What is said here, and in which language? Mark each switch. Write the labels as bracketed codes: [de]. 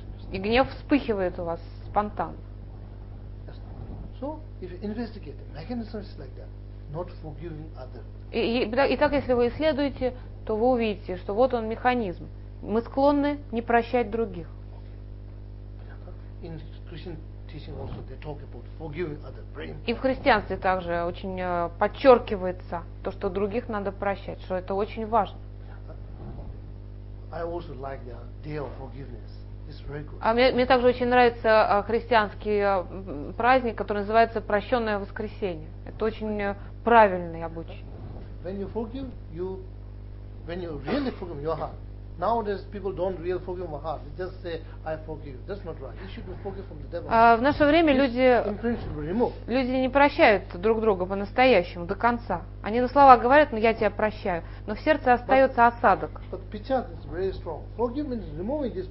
[ru] И гнев вспыхивает у вас спонтанно. [en] So, if you investigate the mechanism is like that, not forgiving other. [ru] И так, если вы исследуете, то вы увидите, что вот он механизм. Мы склонны не прощать других. [en] In Christian teaching also they talk about forgiving other. [ru] И в христианстве также очень подчеркивается то, что других надо прощать, что это очень важно. [en] I also like the idea of forgiveness. [ru] А мне также очень нравится христианский праздник, который называется «Прощенное воскресенье». Это очень правильный обычай. [en] When you forgive, when you really forgive your heart. Nowadays people don't really forgive their heart. They just say, "I forgive." That's not right. You should be forgive from the devil. [ru] В наше время люди не прощают друг друга по-настоящему до конца. Они на слова говорят, но я тебя прощаю, но в сердце остается осадок. [en] But pichat is very strong. Forgive means removing this.